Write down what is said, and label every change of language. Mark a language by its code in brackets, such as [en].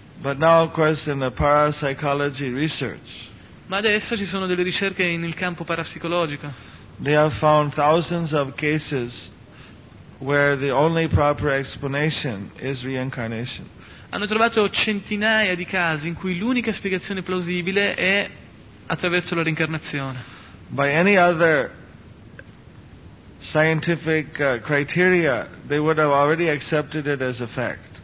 [en] But now, of course, in the parapsychology research. [it] Ma adesso ci sono delle ricerche nel campo parapsicologico. [en] They have found thousands of cases where the only proper explanation is reincarnation. [it] Hanno trovato centinaia di casi in cui l'unica spiegazione plausibile è attraverso la reincarnazione. [en] By any other scientific criteria, they would have already accepted it as a fact.